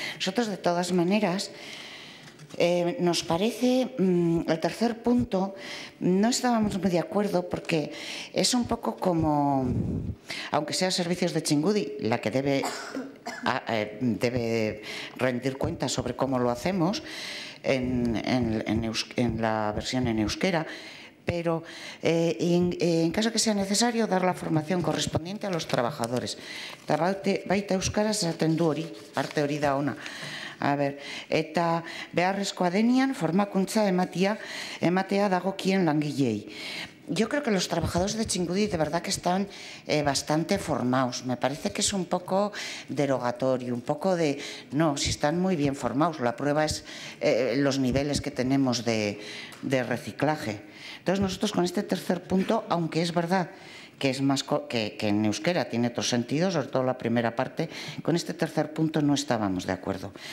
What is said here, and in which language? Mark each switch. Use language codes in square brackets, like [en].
[es] Nosotros, de todas maneras, nos parece, el tercer punto, no estábamos muy de acuerdo porque es un poco como, aunque sea servicios de Txingudi la que debe rendir cuentas sobre cómo lo hacemos en la versión en euskera, pero en caso que sea necesario dar la formación correspondiente a los trabajadores. [eu] Baita euskara esaten du hori, parte hori da ona. [es] A ver, [eu] eta beharrezkoa denean formakuntza ematea dagokien langileei. [es] Yo creo que los trabajadores de Txingudi de verdad que están bastante formados. Me parece que es un poco derogatorio, un poco de... No, si están muy bien formados. La prueba es los niveles que tenemos de reciclaje. Entonces nosotros con este tercer punto, aunque es verdad que es más que en euskera tiene otro sentido, sobre todo la primera parte, con este tercer punto no estábamos de acuerdo.